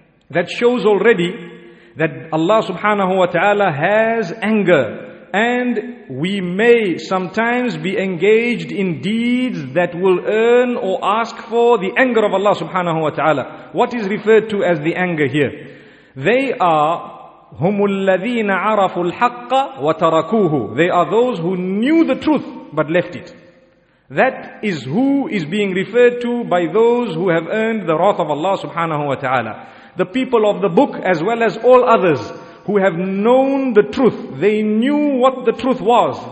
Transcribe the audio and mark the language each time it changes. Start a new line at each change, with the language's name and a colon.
English: That shows already that Allah subhanahu wa ta'ala has anger, and we may sometimes be engaged in deeds that will earn or ask for the anger of Allah subhanahu wa ta'ala. What is referred to as the anger here? They are
Arabic: هُمُ الَّذِينَ عَرَفُوا الْحَقَّ وَتَرَكُوهُ.
English: They are those who knew the truth but left it. That is who is being referred to by those who have earned the wrath of Allah subhanahu wa ta'ala. The people of the book as well as all others who have known the truth. They knew what the truth was.